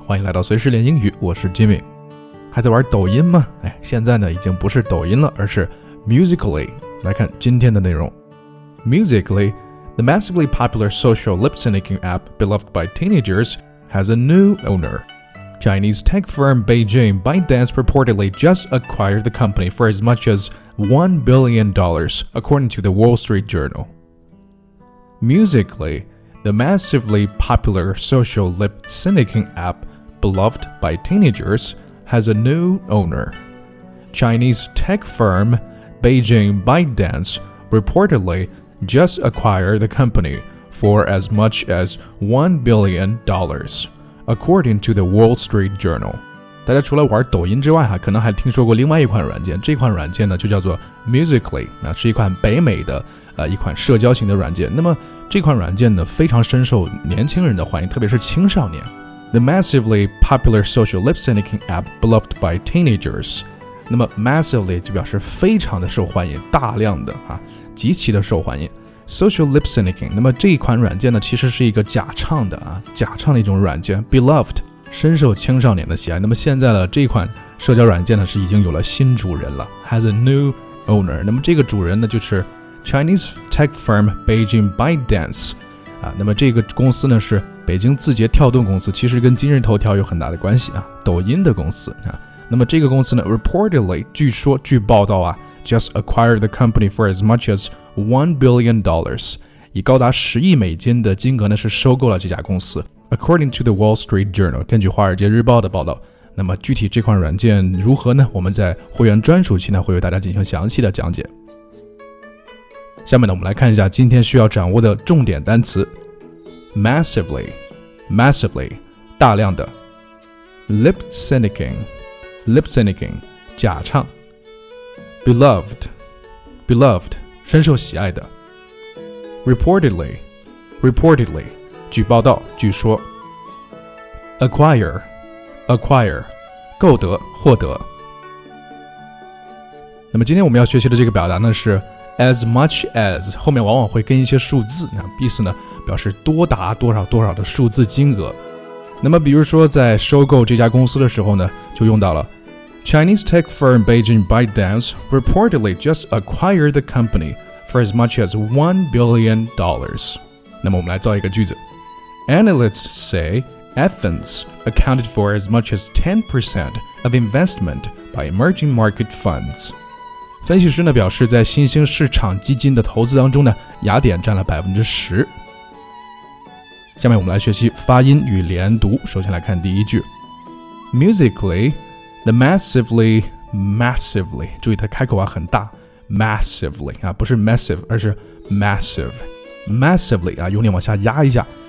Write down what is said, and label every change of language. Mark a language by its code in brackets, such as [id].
[zh] 欢迎来到随时练英语，我是 Jimmy。还在玩抖音吗？哎，现在呢已经不是抖音了，而是 Musical.ly。来看今天的内容。 [en] Musical.ly, the massively popular social lip-syncing app beloved by teenagers, has a new owner. Chinese tech firm Beijing ByteDance reportedly just acquired the company for as much as $1 billion, according to the Wall Street Journal. Musical.ly,The massively popular social lip-syncing app, beloved by teenagers, has a new owner. Chinese tech firm Beijing ByteDance reportedly just acquired the company for as much as $1 billion, according to the Wall Street Journal. [zh] 大家除了玩抖音之外，可能还听说过另外一款软件，这款软件呢就叫做 Musical.ly, 那是一款北美的一款社交型的软件。那么这款软件呢非常深受年轻人的欢迎，特别是青少年。 [en] The massively popular social lip-syncing app beloved by teenagers. [zh] 那么 massively 就表示非常的受欢迎，大量的啊，极其的受欢迎。 [en] Social lip-syncing, [zh] 那么这一款软件呢其实是一个假唱的啊，假唱的一种软件， beloved, 深受青少年的喜爱。那么现在呢这款社交软件呢是已经有了新主人了， [en] has a new owner. [zh] 那么这个主人呢就是 [en] Chinese tech firm Beijing ByteDance, [zh] 啊，那么这个公司呢是北京字节跳动公司，其实跟今日头条有很大的关系啊，抖音的公司啊。那么这个公司呢 ，reportedly 据说据报道啊 ， [en] just acquired the company for as much as $1 billion, [zh] 以高达十亿美金的金额呢是收购了这家公司。 [en] According to the Wall Street Journal, [zh] 根据华尔街日报的报道。那么具体这款软件如何呢？我们在会员专属期呢会为大家进行详细的讲解。下面呢我们来看一下今天需要掌握的重点单词。 [en] Massively, massively, [zh] 大量的。 [en] Lip-syncing, lip-syncing, [zh] 假唱。 [en] Beloved, beloved, [zh] 深受喜爱的。 [en] Reportedly, reportedly, [zh] 据报道，据说。 [en] Acquire, acquire, [zh] 购得，获得。那么今天我们要学习的这个表达呢是 [en] As much as, [zh] 后面往往会跟一些数字，那意思呢表示多达多少多少的数字金额。那么比如说在收购这家公司的时候呢就用到了 [en] Chinese tech firm Beijing ByteDance reportedly just acquired the company for as much as $1 billion. [zh] 那么我们来造一个句子。 [en] Analysts say Athens accounted for as much as 10% of investment by emerging market funds. [zh] 分析师呢表示在新兴市场基金的投资当中呢雅典占了10%。下面我们来学习发音与连读，首先来看第一句。 [en] Musical.ly, the massively, massively, [zh] 注意它开口啊很大 ,massively, 啊不是 massive, 而是 massive, massively, 啊用力往下压一下。